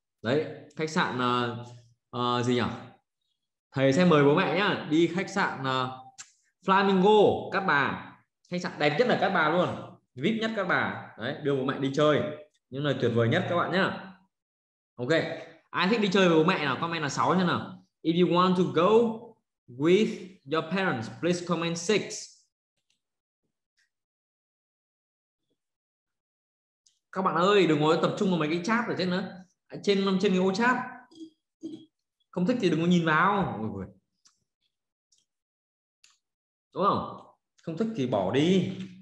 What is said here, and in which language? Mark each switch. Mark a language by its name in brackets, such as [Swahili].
[Vietnamese] Đấy, khách sạn gì nhỉ? Thầy sẽ mời bố mẹ nhá, đi khách sạn Flamingo Cát Bà. Khách sạn đẹp nhất ở Cát Bà luôn, VIP nhất Cát Bà. Đấy, đưa bố mẹ đi chơi những nơi tuyệt vời nhất các bạn nhá. Ok. Ai thích đi chơi với bố mẹ nào, comment là 6 nhá nào. [English] If you want to go with your parents, please comment 6. [Vietnamese] Các bạn ơi, đừng ngồi tập trung vào mấy cái chat ở trên nữa. Trên cái ô chat. Không thích thì đừng có nhìn vào. Ôi, ôi. Đúng không? Không thích thì bỏ đi.